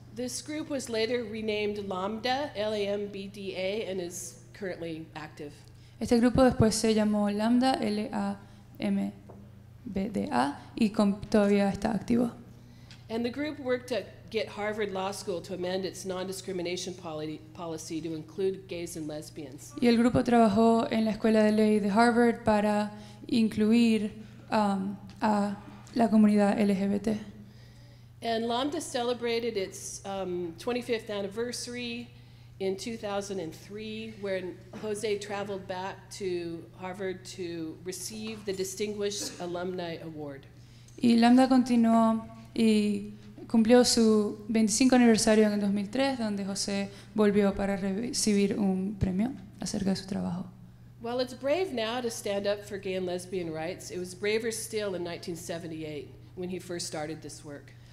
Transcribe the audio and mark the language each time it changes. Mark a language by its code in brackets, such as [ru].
[en] This group was later renamed LAMBDA, L-A-M-B-D-A, and is currently active. [es] Este grupo después se llamó LAMBDA, L-A-M-B-D-A, y todavía está activo. [en] And the group worked to get Harvard Law School to amend its non-discrimination policy to include gays and lesbians. [es] Y el grupo trabajó en la Escuela de Ley de Harvard para incluir a la comunidad LGBT. [en] And LAMBDA celebrated its 25th anniversary in 2003, where José traveled back to Harvard to receive the Distinguished Alumni Award. [es] Y LAMBDA continuó y cumplió su 25 aniversario en 2003, donde José volvió para recibir un premio acerca de su trabajo. [en] Well, it's brave now to stand up for gay and lesbian rights. It was braver still in 1978 when he first started this work.